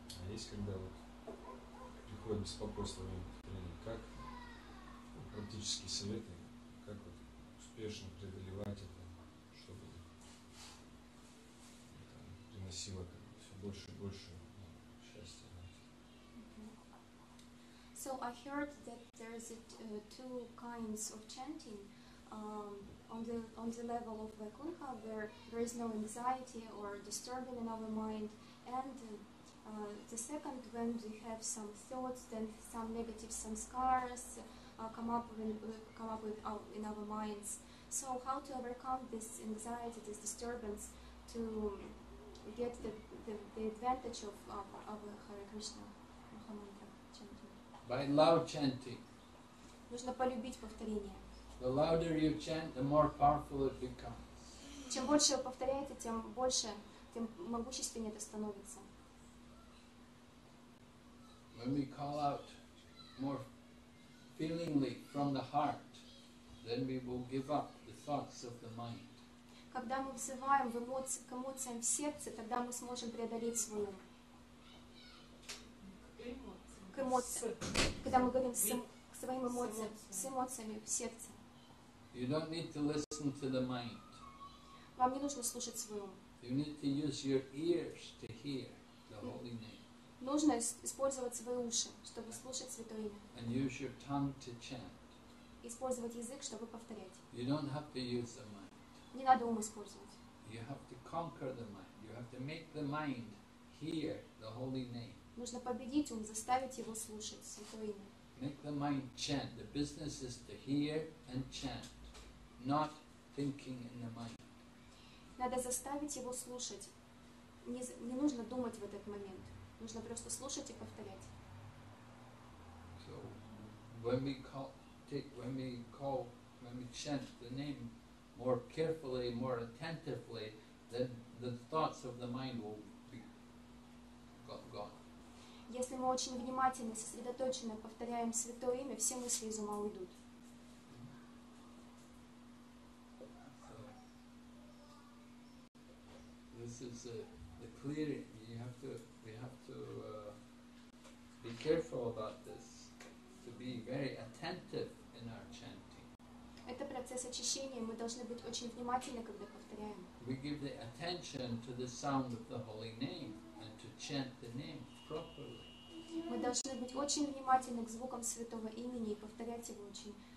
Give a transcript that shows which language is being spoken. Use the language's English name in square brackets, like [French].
[Russian] Есть, когда вот приходит беспокойство во время повторения, как, ну, практические советы, как вот успешно преодолевать это, чтобы это приносило как бы все больше и больше, ну, счастья. [English] So I heard that there is two kinds of chanting on the level of Vaikuntha, where there is no anxiety or disturbing in our mind, and the second, when we have some thoughts, then some negative samskaras come up in our minds. So how to overcome this anxiety, this disturbance, to get the advantage of Hare Krishna Mahamantra chanting? By loud chanting. [Russian] Нужно полюбить повторение. [English] The louder you chant, the more powerful it becomes. [Russian] Чем больше вы повторяете, тем больше, тем могущественнее это становится. [English] When we call out more feelingly from the heart, then we will give up the thoughts of the mind. [Russian] Когда мы взываем к эмоциям в сердце, тогда мы сможем преодолеть свой ум. К эмоциям. Когда мы говорим к своим эмоциям, с эмоциями в сердце. [English] You don't need to listen to the mind. [Russian] Вам не нужно слушать свой ум. [English] You need to use your ears to hear the Holy Name. [Russian] Нужно использовать свои уши, чтобы слушать Святое Имя. [English] And use your tongue to chant. [Russian] Использовать язык, чтобы повторять. [English] You don't have to use the mind. [Russian] Не надо ум использовать. [English] You have to conquer the mind. You have to make the mind hear the Holy Name. [Russian] Нужно победить ум, заставить его слушать Святое Имя. [English] Make the mind chant. The business is to hear and chant, not thinking in the mind. [Russian] Надо заставить его слушать. Не нужно думать в этот момент. Нужно просто слушать и повторять. [English] So, when we chant the name more carefully, more attentively, then the thoughts of the mind will be gone. [Russian] Если мы очень внимательно, сосредоточенно повторяем святое имя, все мысли из ума уйдут. [English] This is the clearing. We have to be careful about this. To be very attentive in our chanting. [Russian] Это процесс очищения. Мы должны быть очень внимательны, когда повторяем. [English] We give the attention to the sound of the holy name and to chant the name properly. [Russian] Мы должны быть очень внимательны к звукам святого имени и повторять его очень.